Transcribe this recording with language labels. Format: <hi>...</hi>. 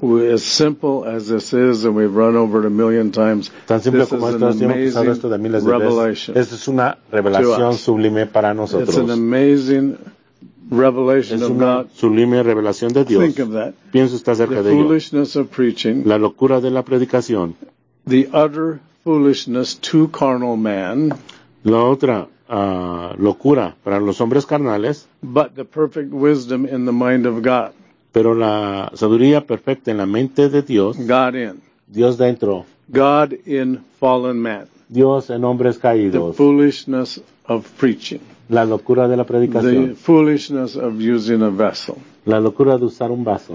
<en>Now, as simple as this is, and we've run over it a million times,</en> <es>tan simple como esto, hemos pasado esto de miles de veces. Esta es una revelación sublime para nosotros.</es> <en>It's an amazing revelation of God.</en> <es>Es una sublime revelación de Dios.</es> <en>Think of that.</en> <es>Piensa usted acerca de ello.</es> <en>The foolishness of preaching.</en> <es>La locura de la predicación.</es> <en>The utter foolishness to carnal man.</en> <es>La otra locura para los hombres carnales.</es> <en>But the perfect wisdom in the mind of God.</en> <es>Pero la sabiduría perfecta en la mente de Dios.</es> <en>God in.</en> <es>Dios dentro.</es> <en>God in fallen man.</en> <es>Dios en hombres caídos.</es> <en>The foolishness of preaching.</en> <es>La locura de la predicación.</es> <en>The foolishness of using a vessel.</en> <es>La locura de usar un vaso.</es>